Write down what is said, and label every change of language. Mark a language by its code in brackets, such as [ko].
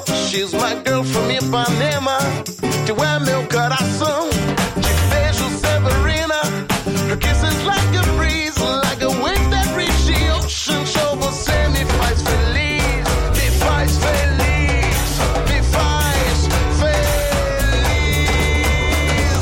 [pt] diz uma [en] girl from Ipanema, [pt] tu é meu coração. Te vejo, [en] Severina, her kisses like a breeze, like a wind that reaches the ocean. [pt] Show você me faz feliz, me faz feliz, me faz feliz.